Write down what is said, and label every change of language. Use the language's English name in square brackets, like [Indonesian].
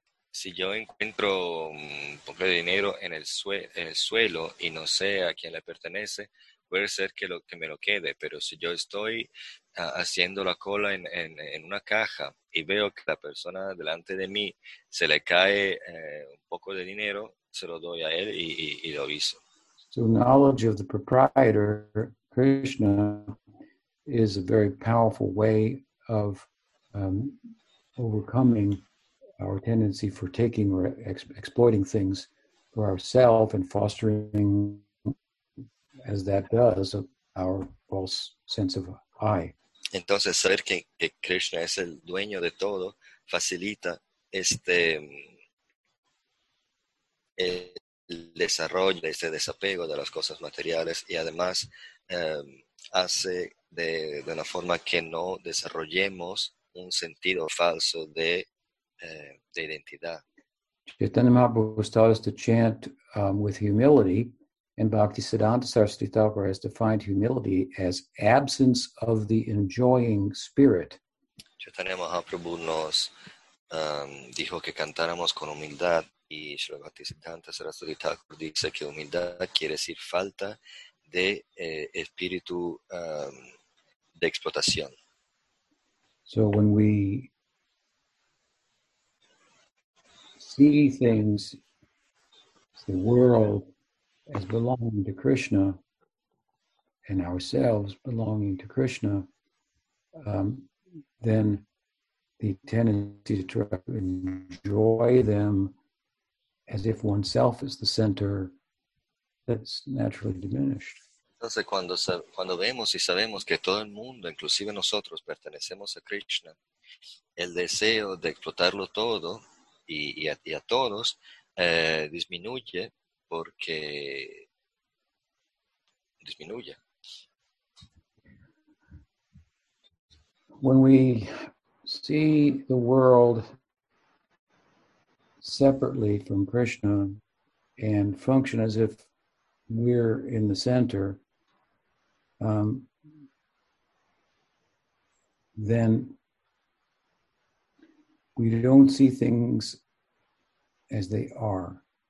[Spanish] Si yo encuentro un poco de dinero en el suelo y no sé a quién le pertenece, puede ser que lo que me lo quede, pero si yo estoy haciendo la cola en una caja y veo que la persona delante de mí se le cae un poco de dinero, se lo doy a él y lo aviso. [English] So knowledge of the proprietor, Krishna, is a very powerful way of overcoming our tendency for taking or exploiting things for ourselves and fostering, as that does, our false sense of I. [Spanish] Entonces, saber que Krishna es el dueño de todo facilita el desarrollo, este desapego de las cosas materiales y además hace de una forma que no desarrollemos un sentido falso de identidad. [English] Chaitanya Mahaprabhu taught us to chant with humility, and Bhaktisiddhanta Saraswati Thakur has defined humility as absence of the enjoying spirit. [Spanish] Chaitanya Mahaprabhu nos dijo que cantáramos con humildad, y Shri Bhaktisiddhanta Saraswati Thakur dice que humildad quiere decir falta de espíritu de explotación. [English] So when we see things, the world, as belonging to Krishna, and ourselves belonging to Krishna, then the tendency to try to enjoy them as if oneself is the center, that's naturally diminished. [Spanish] Entonces, cuando vemos y sabemos que todo el mundo, inclusive nosotros, pertenecemos a Krishna, el deseo de explotarlo todo y a todos disminuye porque disminuye. [English] When we see the world separately from Krishna and function as if we're in the center, then we don't see things as they are.